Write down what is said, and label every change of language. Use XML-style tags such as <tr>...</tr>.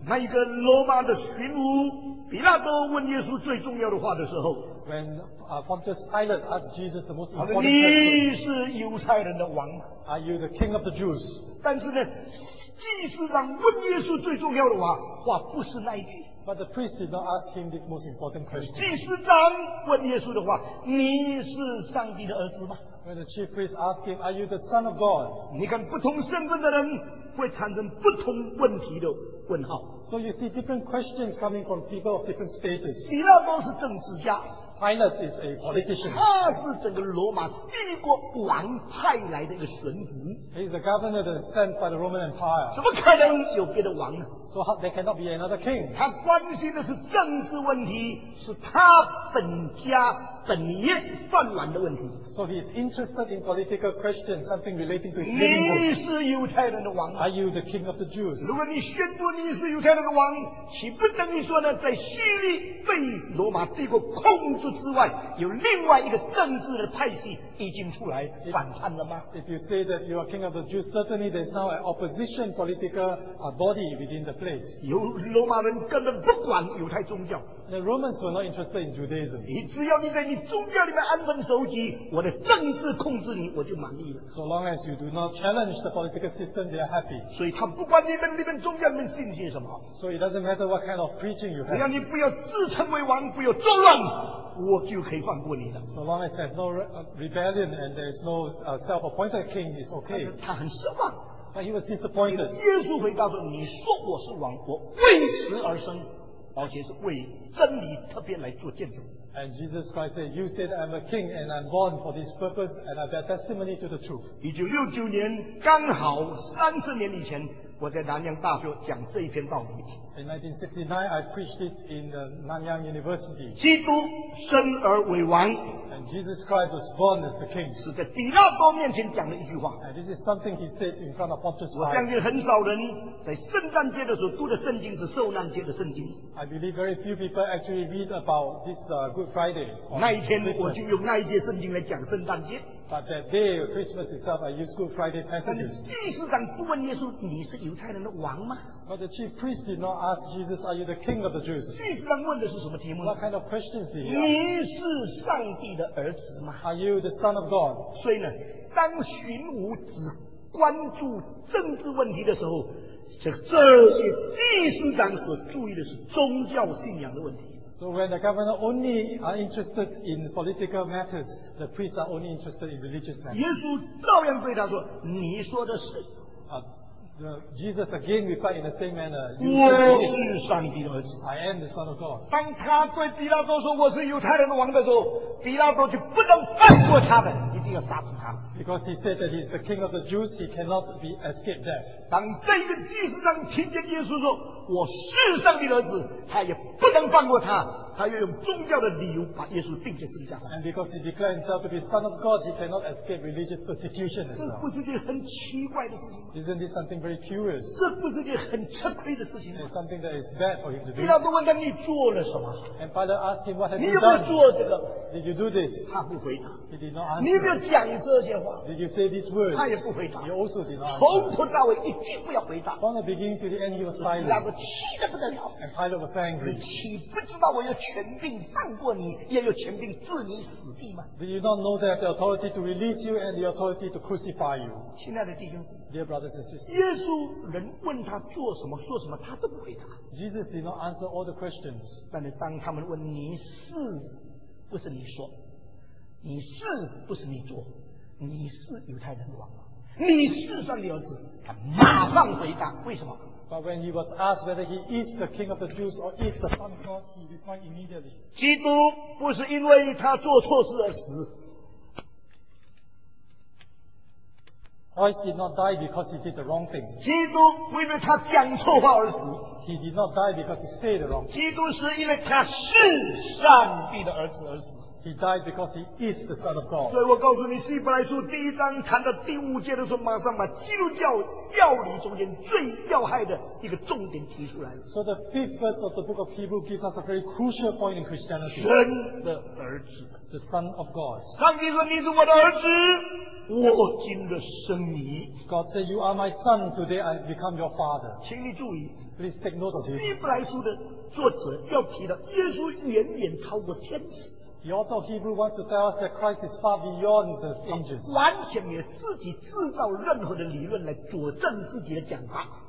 <zh>那一个罗马的巡抚比拉多问耶稣最重要的话的时候。</zh> <en>When Pontius Pilate asked Jesus the most important question,</en> <zh>你是犹太人的王吗？</zh> <en>Are you the king of the Jews?</en> <zh>但是呢，祭司长问耶稣最重要的话不是那一句。</zh> <en>But the priest did not ask him this most important question.</en> <zh>祭司长问耶稣的话，你是上帝的儿子吗？</zh> <en>When the chief priest asked him, Are you the son of God?</en> <zh>你看不同身份的人会产生不同问题的问号。</zh> <en>So you see different questions coming from people of different status.</en> <zh>希拉多是政治家。</zh> <en>Pilate is a politician.</en> <zh>他是整个罗马帝国王派来的一个神职。</zh> <en>He's the governor that is sent by the Roman Empire.</en> <zh>怎么可能有别的王呢？</zh> <en>So there cannot be another king.</en> <zh>他关心的是政治问题，是他本家本业饭碗的问题。</zh> <en>So he is interested in political questions, something relating to him.</en> <zh>你是犹太人的王。</zh> <en>Are you the king of the Jews?</en> <zh>如果你宣布你是犹太人的王，岂不等于说呢，在叙利亚被罗马帝国控制之外，有另外一个政治的派系已经出来反叛了吗？</zh> <en>If you say that you are king of the Jews, certainly there is now an opposition political body within the place.</en> <zh>由罗马人根本不管犹太宗教。</zh> <en>The Romans were not interested in Judaism.</en> <zh>你只要你在你宗教里面安分守己，我的政治控制你，我就满意了。</zh> <en>So long as you do not challenge the political system, they are happy.</en> <zh>所以他不管你们宗教里面信些什么。</zh> <en>So it doesn't matter what kind of preaching you have.</en> <zh>只要你不要自称为王，不要作乱，我就可以放过你的。</zh> <en>So long as there's no rebellion and there's no self-appointed king, it's okay.</en> <zh>他很失望。</zh> <en>But he was disappointed.</en> <zh>耶稣回答说：“你说我是王，我为此而生。” 而且是为真理特别来做见证。</zh> <en>And Jesus Christ said, "You said I'm a king, and I'm born for this purpose, and I bear testimony to the truth."</en> <zh>1969年，刚好30年以前，我在南洋大学讲这一篇道理。</zh> <en>In 1969, I preached this in the Nanyang University.</en> <zh>基督生而为王。</zh> <en>And Jesus Christ was born as the king.</en> <zh>是在比拉多面前讲的一句话。</zh> <en>And this is something he said in front of Pontius Pilate.</en> <zh>我相信很少人在圣诞节的时候读的圣经是受难节的圣经。</zh> <en>I believe very few people actually read about this Good Friday.</en> <zh>那一天我就用那一节圣经来讲圣诞节。</zh> <en>But that day, Christmas itself, I used Good Friday passages.</en> <zh>但祭司长不问耶稣，你是犹太人的王吗？</zh> <en>But the chief priest did not ask Jesus, "Are you the king of the Jews?"</en> <zh>祭司长问的是什么题目？</zh> <en>What kind of questions did he ask?</en> <zh>你是上帝的儿子吗？</zh> <en>Are you the son of God?</en> <zh>所以呢，当荀彧只关注政治问题的时候，这些祭司长所注意的是宗教信仰的问题。</zh> <en>So when the governor only are interested in political matters, the priests are only interested in religious matters.</en> <zh>耶稣照样对他说：“你说的是。”</zh> <en>Jesus again replied in the same manner.</en> <zh>我是上帝的儿子。</zh> <en>I am the son of God.</en> <zh>当他对比拉多说我是犹太人的王的时候，比拉多就不能放过他的，一定要杀死他。</zh> <en>Because he said that he is the king of the Jews, he cannot be escaped death.</en> <zh>当这个祭司长听见耶稣说我是上帝的儿子，他也不能放过他，他要用宗教的理由把耶稣钉在十字架上。</zh> <en>And because he declared himself to be son of God, he cannot escape religious persecution as well.</en> <zh>这不是件很奇怪的事情吗？</zh> <en>Isn't this something very curious?</en> <zh>这不是件很吃亏的事情吗？</zh> <en>It's something that is bad for him to do.</en> <zh>比拉多问他你做了什么？</zh> <en>And Pilate asked him, what have you</en> <zh>你有没有做这个？</zh> <en>Did you do this?</en> <zh>他不回答。</zh> <en>He did not answer.</en> <zh>你有没有讲这些话？</zh> <en>Did you say these words?</en> <zh>他也不回答。</zh> <en>He also did not answer.</en> <zh>从头到尾一句不要回答。</zh> <en>From the beginning to the end, he was silent.</en> <zh>气得不得了。</zh> <en>And Pilate was angry.</en> <zh>你岂不知道我要权柄放过你，也有权柄置你死地吗？</zh> <en>Do you not know that the authority to release you and the authority to crucify you?</en> <zh>亲爱的弟兄姊妹，</zh> <en>Dear brothers and sisters,</en> <zh>耶稣人问他做什么说什么他都不回答。 Jesus did not answer all the questions. 但是当他们问你是不是你说，你是不是你做，你是犹太人的王，你是上帝儿子，他马上回答。为什么？</zh> <en>But when he was asked whether he is the king of the Jews or is the son of God, he replied immediately.</en> <zh>基督不是因为他做错事而死。</zh> <en>Christ did not die because he did the wrong thing.</en> <zh>基督不因为他讲错话而死。</zh> <en>He did not die because he said the wrong thing.</en> <zh>基督是因为他是上帝的儿子而死。</zh> <en>He died because he is the son of God.</en> <zh>所以我告诉你，希伯来书第一章谈到第五节的时候，马上把基督教教理中间最要害的一个重点提出来。</zh> <en>So the fifth verse of the book of Hebrews gives us a very crucial point in Christianity.</en> <zh>神的儿子，</zh> <en>the son of God.</en> <zh>上帝说你是我的儿子，我今日生你。</zh> <en>God said, "You are my son. Today I become your father."</en> <zh>请你注意，</zh> <en>please take note of this.</en> <zh>希伯来书的作者要提到，耶稣远远超过天使。</zh> <en>The author of Hebrews wants to tell us that Christ is far beyond the angels.</en> <zh>完全没有自己制造任何的理论来佐证自己的讲法。</zh>